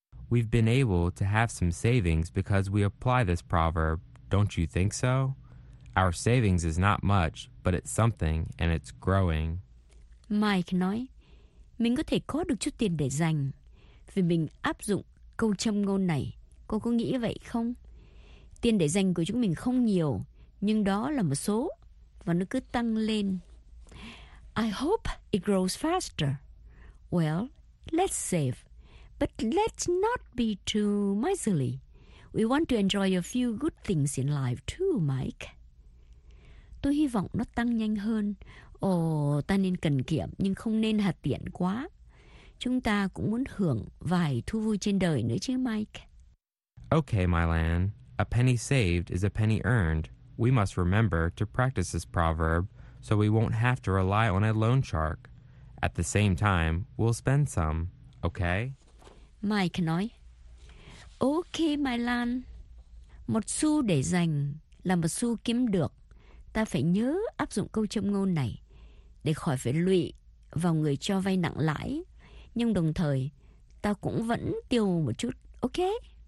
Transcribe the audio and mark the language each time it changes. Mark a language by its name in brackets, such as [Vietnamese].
[English] We've been able to have some savings because we apply this proverb. Don't you think so? Our savings is not much, but it's something and it's growing. [Vietnamese] Mike nói, mình có thể có được chút tiền để dành vì mình áp dụng câu châm ngôn này. Cô có nghĩ vậy không? Tiền để dành của chúng mình không nhiều, nhưng đó là một số, và nó cứ tăng lên. [English] I hope it grows faster. Well, let's save, but let's not be too miserly. We want to enjoy a few good things in life too, Mike. [Vietnamese] Tôi hy vọng nó tăng nhanh hơn. Ồ, ta nên cần kiệm, nhưng không nên hà tiện quá. Chúng ta cũng muốn hưởng vài thú vui trên đời nữa chứ, Mike. [English] Okay, Mylan. A penny saved is a penny earned. We must remember to practice this proverb so we won't have to rely on a loan shark. At the same time, we'll spend some, okay? [Vietnamese] Mike nói, okay, Mylan. Một xu để dành là một xu kiếm được. Ta phải nhớ áp dụng câu châm ngôn này để khỏi phải lụy vào người cho vay nặng lãi. Nhưng đồng thời, ta cũng vẫn tiêu một chút, okay?